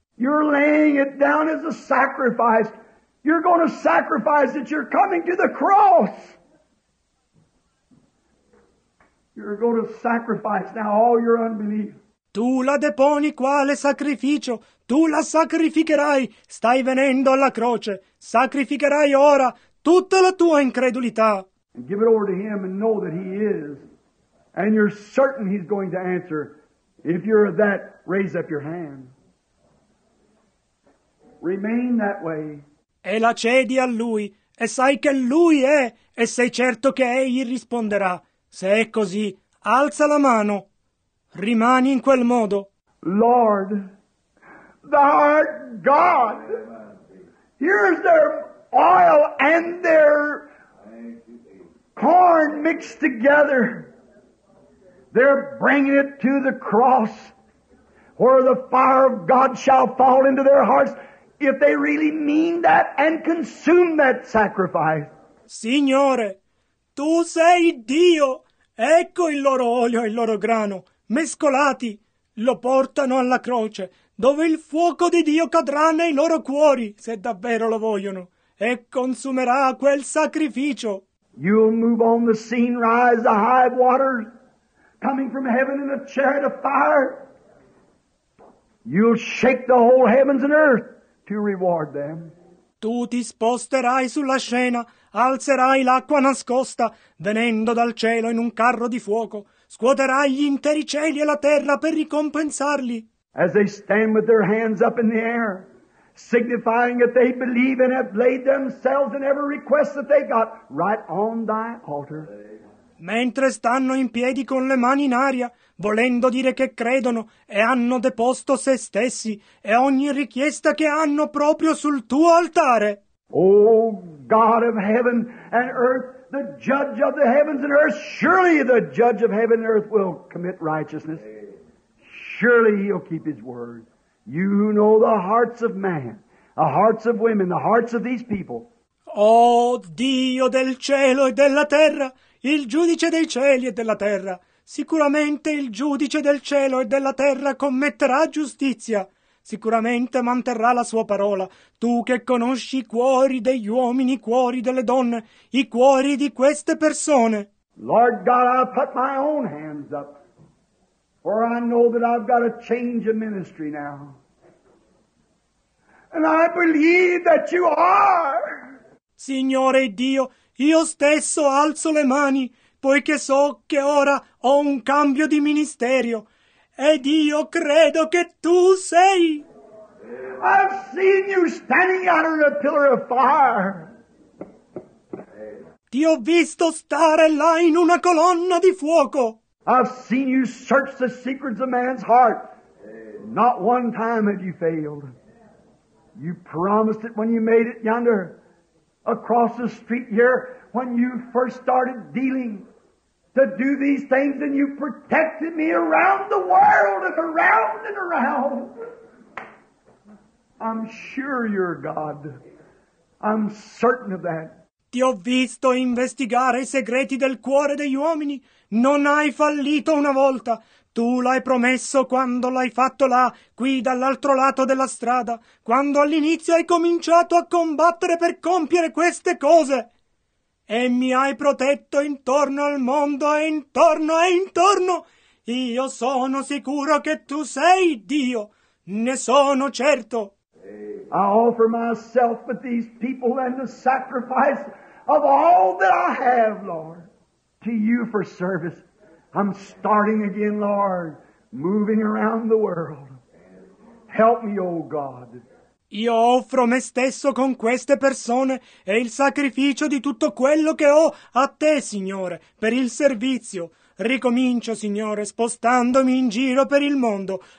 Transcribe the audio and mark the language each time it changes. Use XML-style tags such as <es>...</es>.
<en>You're laying it down as a sacrifice. You're going to sacrifice it. You're coming to the cross. You're going to sacrifice now all your unbelief.</en> <it>Tu la deponi quale sacrificio? Tu la sacrificherai. Stai venendo alla croce. Sacrificherai ora tutta la tua incredulità.</it> <en>And give it over to him and know that he is. And you're certain he's going to answer. If you're that, raise up your hand. Remain that way.</en> <it>E la cedi a lui, e sai che lui è, e sei certo che egli risponderà. Se è così, alza la mano. Rimani in quel modo.</it> <en>Lord, thou art God. Here's their oil and their corn mixed together. They're bringing it to the cross, where the fire of God shall fall into their hearts. If they really mean that and consume that sacrifice.</en> <it>Signore, tu sei Dio. Ecco il loro olio e il loro grano, mescolati, lo portano alla croce, dove il fuoco di Dio cadrà nei loro cuori, se davvero lo vogliono, e consumerà quel sacrificio.</it> <en>You'll move on the scene, rise the high waters, coming from heaven in a chariot of fire. You'll shake the whole heavens and earth. To reward them.</en> <it>Tu ti sposterai sulla scena, alzerai l'acqua nascosta, venendo dal cielo in un carro di fuoco, scuoterai gli interi cieli e la terra per ricompensarli.</it> <en>as they stand with their hands up in the air, signifying that they believe and have laid themselves in every request that they got right on thy altar.</en> <it>Mentre stanno in piedi con le mani in aria, volendo dire che credono e hanno deposto se stessi e ogni richiesta che hanno proprio sul tuo altare.</it> <en>Oh God of heaven and earth, the judge of the heavens and earth, surely the judge of heaven and earth will commit righteousness. Surely he'll keep his word. You who know the hearts of man, the hearts of women, the hearts of these people.</en> <it>Oh Dio del cielo e della terra, il giudice dei cieli e della terra, sicuramente il giudice del cielo e della terra commetterà giustizia. Sicuramente manterrà la sua parola, tu che conosci i cuori degli uomini, i cuori delle donne, i cuori di queste persone.</it> <en>Lord God, I put my own hands up, for I know that I've got a change of ministry now. And I believe that you are.</en> <it>Signore Dio, io stesso alzo le mani, poiché so che ora ho un cambio di ministerio. Ed io credo che tu sei.</it> <en>I've seen you standing out on a pillar of fire.</en> <it>Ti ho visto stare là in una colonna di fuoco.</it> <en>I've seen you search the secrets of man's heart. Not one time have you failed. You promised it when you made it yonder, across the street here, when you first started dealing to do these things, and you protected me around the world and around and around. I'm sure you're God. I'm certain of that.</en> <it>Ti ho visto investigare i segreti del cuore degli uomini. Non hai fallito una volta. Tu l'hai promesso quando l'hai fatto là, qui dall'altro lato della strada, quando all'inizio hai cominciato a combattere per compiere queste cose. E mi hai protetto intorno al mondo e intorno. Io sono sicuro che tu sei Dio. Ne sono certo.</it> <en>I offer myself with these people and the sacrifice of all that I have, Lord, to you for service. I'm starting again, Lord, moving around the world. Help me, O God.</en> <it>Io offro me stesso con queste persone e il sacrificio di tutto quello che ho a te, Signore, per il servizio. Ricomincio, Signore, spostandomi in giro per il mondo.</it>